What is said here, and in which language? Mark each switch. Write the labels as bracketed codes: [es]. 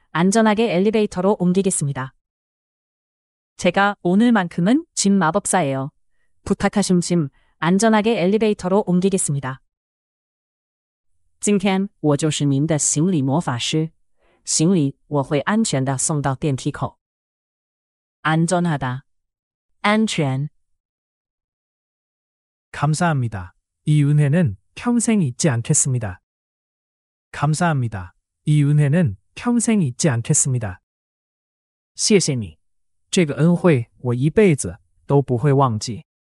[ko] 안전하게 엘리베이터로 옮기겠습니다. 제가 오늘만큼은 짐 마법사예요. 부탁하신 짐 안전하게 엘리베이터로 옮기겠습니다. [zh] 今天我就是您的行李魔法师，行李我会安全地送到电梯口。 [ko] 안전하다. 안전. 감사합니다. 이 은혜는 평생 잊지 않겠습니다. 감사합니다. 이 은혜는 평생 잊지 않겠습니다. [zh] 谢谢你. 这个恩惠我一辈子都不会忘记.